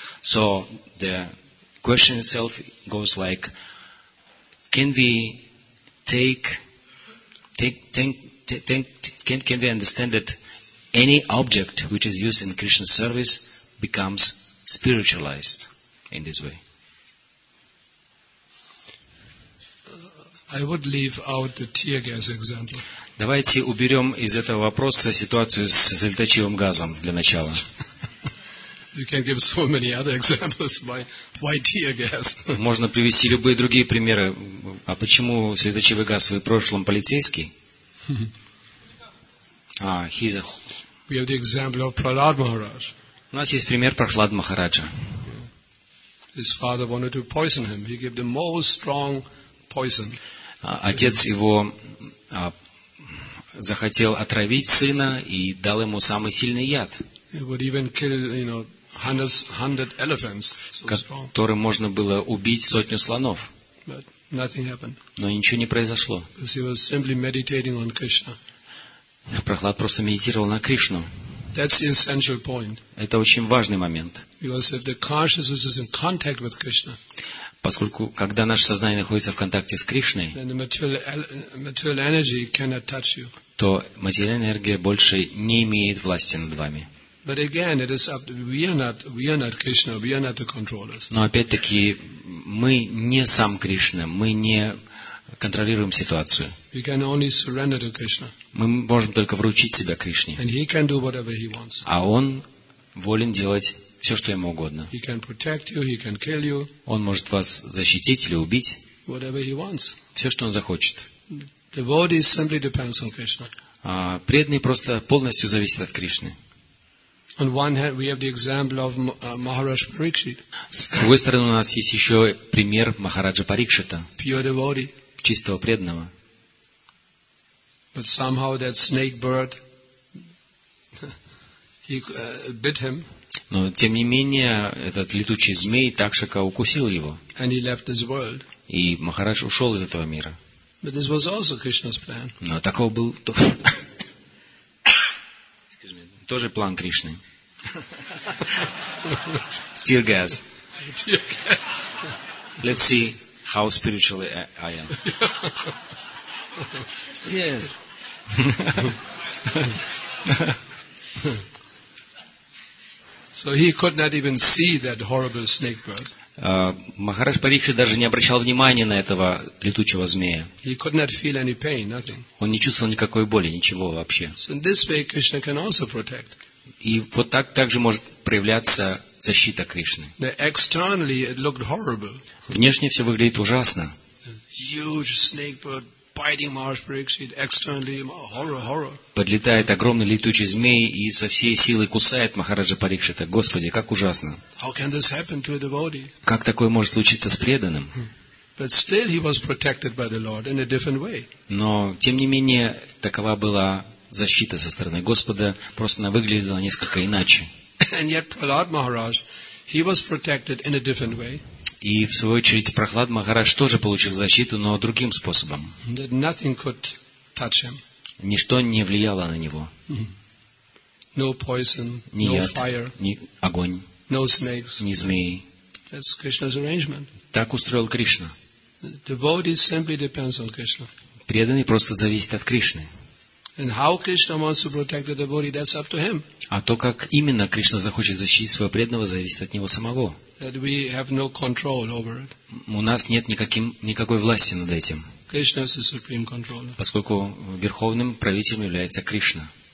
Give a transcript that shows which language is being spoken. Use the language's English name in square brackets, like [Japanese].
[English] So, the question itself goes like, can we can we understand that any object which is used in Krishna's service becomes spiritualized? In this way. I would leave out the tear gas example. [Russian] Давайте уберем из этого вопроса ситуацию с слезоточивым газом для начала. [English] You can give so many other examples. Why tear gas? [Russian] Можно привести любые другие примеры. А почему слезоточивый газ? Вы в прошлом полицейский? [English] We have the example of Prahlad Maharaj. [Russian] У нас есть пример Прахлад Махараджа. [English] His father wanted to poison him. He gave the most strong poison. [Russian] Отец его захотел отравить сына и дал ему самый сильный яд. [English] He would even kill, you know, hundred elephants. [Russian] Которым можно было убить сотню слонов. [English] But nothing happened. [Russian] Но ничего не произошло. [English] Because he was simply meditating on Krishna. [Russian] Прохлад просто медитировал на Кришну. [English] That's the essential point. [Russian] Это очень важный момент. [English] Because if the consciousness is in contact with Krishna, [Russian] поскольку когда наше сознание находится в контакте с Кришной, [English] then the material energy cannot touch you. [Russian] То материальная энергия больше не имеет власти над вами. [English] But again, it is up to we are not Krishna, we are not the controllers. [Russian] Но опять-таки мы не сам Кришна, мы не контролируем ситуацию. [English] We can only surrender to Krishna. [Russian] Мы можем только вручить себя Кришне. [English] And he can do whatever he wants. [Russian] А он волен делать все, что ему угодно. [English] He can protect you, he can kill you. [Russian] Он может вас защитить или убить. [English] Whatever he wants. [Russian] Все, что он захочет. [English] Devotee simply depends on Krishna. [Russian] А преданный просто полностью зависит от Кришны. [English] On one hand, we have the example of Maharaj Parikshit. [Russian] С другой стороны, у нас есть еще пример Махараджа Парикшита. [English] Pure devotee. [Russian] Чистого преданного. [English] But somehow that snake bird he bit him. [Russian] Но тем не менее этот летучий змей Такшака укусил его. [English] And he left this world. [Russian] И Махарадж ушел из этого мира. [English] But this was also Krishna's plan. [Russian] Но такого был тоже план Кришны. [English] Tear gas. Let's see how spiritual I am. Yes. So he could not even see that horrible snake bird. [Russian] Махарадж Парикшит даже не обращал внимания на этого летучего змея. [English] He could not feel any pain, nothing. [Russian] Он не чувствовал никакой боли, ничего вообще. [English] So in this way, Krishna can also protect. [Russian] И вот так также может проявляться защита Кришны. [English] Now, externally, it looked horrible. [Russian] Внешне все выглядит ужасно. [English] Huge snake bird biting Maharaj Parikshit externally, horror, horror. [Russian] Подлетает огромный летучий змей и со всей силы кусает Махараджа Парикшита. Господи, как ужасно! [English] How can this happen to a devotee? [Russian] Как такое может случиться с преданным? [English] But still he was protected by the Lord in a different way. [Russian] Но тем не менее такова была защита со стороны Господа, просто она выглядела несколько иначе. [English] And yet Prahlad Maharaj, he was protected in a different way. [Russian] И в свою очередь Прохлад Махарадж тоже получил защиту, но другим способом. [English] That nothing could touch him. [Russian] Ничто не влияло на него. [English] Mm-hmm. No poison, [Russian] ни [English] no [Russian] яд, [English] fire, [Russian] ни огонь, [English] no snakes, [Russian] ни змеи. [English] That's Krishna's arrangement. [Russian] Так устроил Кришна. [English] Devotee simply depends on Krishna. [Russian] Преданный просто зависит от Кришны. [English] And how Krishna wants to protect the devotee, that's up to him. [Russian] А то, как именно Кришна захочет защитить своего преданного, зависит от него самого. [English] That we have no control over it. [Russian] У нас нет никакой власти над этим. [English] Krishna is the supreme controller. [Russian] Поскольку верховным правителем является Кришна.